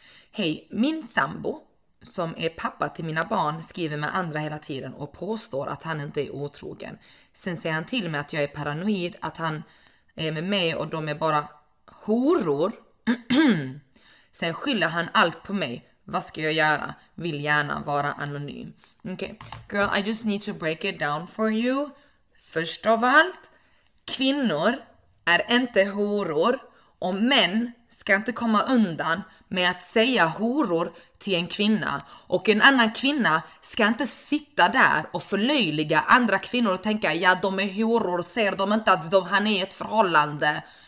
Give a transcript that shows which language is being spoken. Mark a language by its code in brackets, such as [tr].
[sv] Hej, min sambo som är pappa till mina barn skriver med andra hela tiden och påstår att han inte är otrogen. Sen säger han till mig att jag är paranoid, att han är med mig och de är bara horor. Sen skyller han allt på mig. Vad ska jag göra? Vill gärna vara anonym. Okay. [en] Girl, I just need to break it down for you. [sv] Först av allt, kvinnor är inte horor. Och män ska inte komma undan med att säga horor till en kvinna. Och en annan kvinna ska inte sitta där och förlöjliga andra kvinnor och tänka, ja, de är horor, ser de inte att han är i ett förhållande.